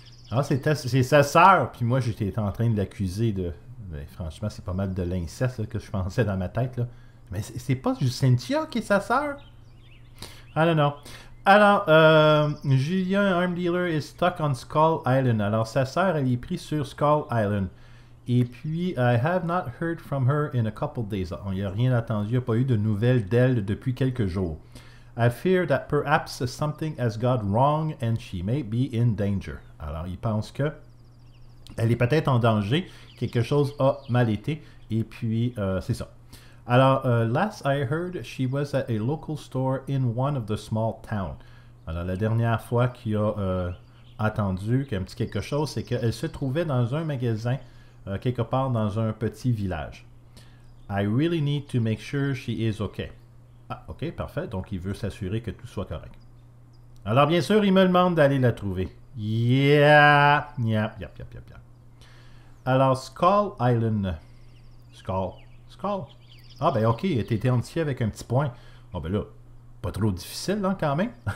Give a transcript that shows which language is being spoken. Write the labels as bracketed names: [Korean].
[French] Alors, c'est sa sœur, puis moi, j'étais en train de l'accuser de... Ben, franchement, c'est pas mal de l'inceste là, que je pensais dans ma tête, là. Mais c'est pas Jacinta qui est sa sœur? Ah non, non. Alors, [English] Julia, an arm dealer, is stuck on Skull Island. [French] Alors, sa sœur, elle est prise sur Skull Island. Et puis, [English] I have not heard from her in a couple days. [French] On n'y a rien attendu, il n'y a pas eu de nouvelles d'elle depuis quelques jours. [English] I fear that perhaps something has gone wrong and she may be in danger. [French] Alors, il pense que elle est peut-être en danger, quelque chose a mal été, et puis, c'est ça. Alors, [English] last I heard, she was at a local store in one of the small towns. [French] Alors, la dernière fois qu'il a attendu qu'un petit quelque chose, c'est qu'elle se trouvait dans un magasin quelque part dans un petit village. [English] I really need to make sure she is okay. [French] Ah, ok, parfait. Donc, il veut s'assurer que tout soit correct. Alors, bien sûr, il me demande d'aller la trouver. [English] Yeah! Yep, yep, yep, yep, yep. [French] Alors, [English] Skull Island. Skull. Skull. [French] Ah, ben ok, il était entier avec un petit point. Ah, ben là, pas trop difficile, hein, quand même.